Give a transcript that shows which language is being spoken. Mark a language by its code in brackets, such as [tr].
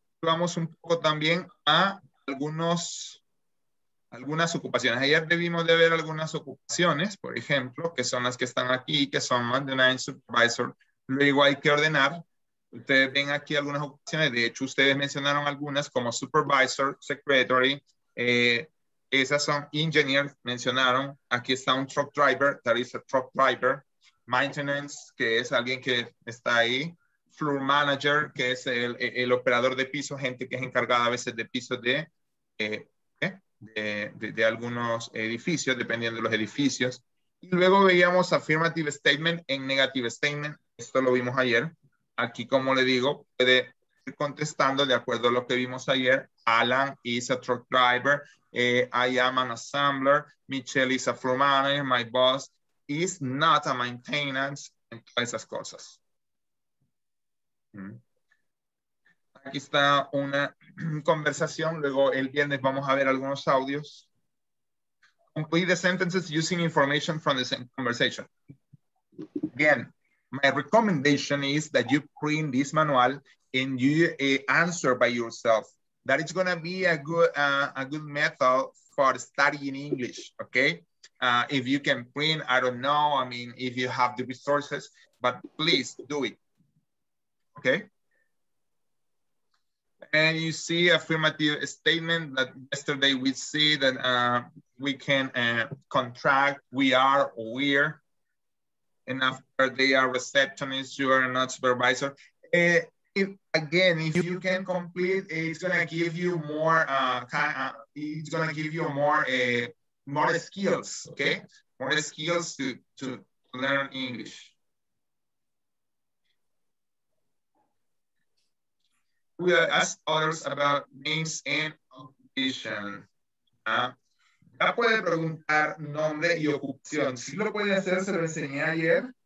[es] Vamos un poco también a algunas ocupaciones. Ayer debimos de ver algunas ocupaciones, por ejemplo, que son las que están aquí, que son más de una supervisor. Luego hay que ordenar. Ustedes ven aquí algunas ocupaciones. De hecho, ustedes mencionaron algunas como supervisor, secretary. Esas son engineer, mencionaron. Aquí está un [en] truck driver, that is a truck driver. [es] Maintenance, que es alguien que está ahí. Floor manager, que es el operador de piso, gente que es encargada a veces de pisos de algunos edificios, dependiendo de los edificios. Y luego veíamos affirmative statement en negative statement. Esto lo vimos ayer. Aquí, como le digo, puede ir contestando de acuerdo a lo que vimos ayer. [en] Alan is a truck driver. I am an assembler. Michelle is a floor manager. My boss is not a maintenance. [es] En todas esas cosas. Aquí está una conversación. Luego el viernes vamos a ver algunos audios. [en] Complete the sentences using information from the same conversation. Again, my recommendation is that you print this manual and you answer by yourself. That is going to be a good method for studying English. Okay. If you can print, I don't know. I mean, if you have the resources, but please do it. Okay. And you see affirmative statement that yesterday we see that we can contract we are or we're. And after they are receptionist, you are not supervisor. If you can complete, it's going to give you more, more skills. Okay. More skills to learn English. We will ask others about names and occupation. [es] Ya puede preguntar nombre y ocupación. Si lo puede hacer, se lo enseñé ayer.